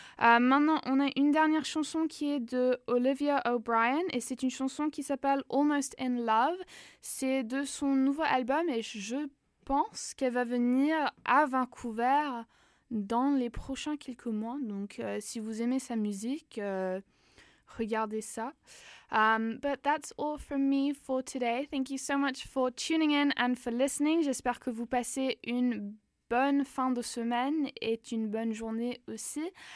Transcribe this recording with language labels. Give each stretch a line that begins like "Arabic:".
French: Maintenant, on a une dernière chanson qui est de Olivia O'Brien et c'est une chanson qui s'appelle Almost in Love. C'est de son nouveau album et je pense qu'elle va venir à Vancouver dans les prochains quelques mois. Donc, si vous aimez sa musique, regardez ça.
English: But that's all from me for today. Thank you so much for tuning in and for listening.
French: J'espère que vous passez une bonne fin de semaine et une bonne journée aussi.